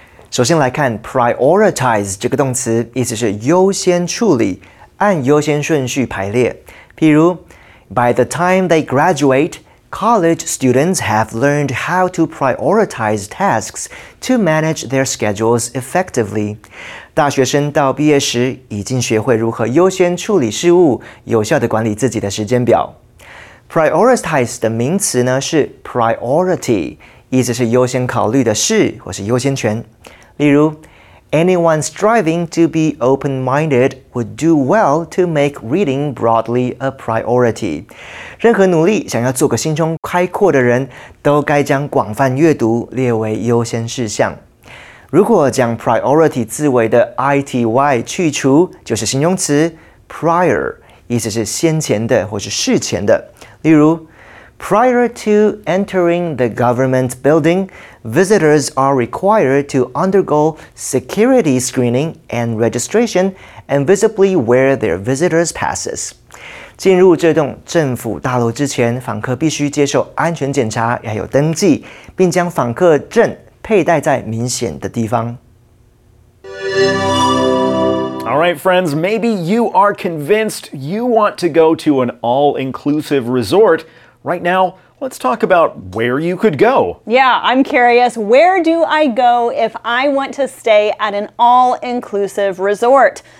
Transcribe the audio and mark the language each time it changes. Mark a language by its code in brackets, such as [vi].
[zh] 首先来看 prioritize 这个动词，意思是优先处理，按优先顺序排列。譬如 [en] ，By the time they graduate, college students have learned how to prioritize tasks to manage their schedules effectively. [zh] 大学生到毕业时，已经学会如何优先处理事务，有效地管理自己的时间表。 Prioritize 的名词呢是 priority。意思是优先考虑的事或是优先权。例如 [en] ,anyone striving to be open-minded would do well to make reading broadly a priority. [zh] 任何努力想要做个心胸开阔的人都该将广泛阅读列为优先事项。如果将 priority 字尾的 ity 去除就是形容词 prior, 意思是先前的或是事前的。例如 [en] Prior to entering the government building, visitors are required to undergo security screening and registration and visibly wear their visitors' passes. [zh] 进入这栋政府大楼之前，访客必须接受安全检查，还有登记，并将访客证佩戴在明显的地方。 [en] All right, friends, maybe you are convinced you want to go to an all-inclusive resort. Right now, let's talk about where you could go. Yeah, I'm curious. Where do I go if I want to stay at an all-inclusive resort?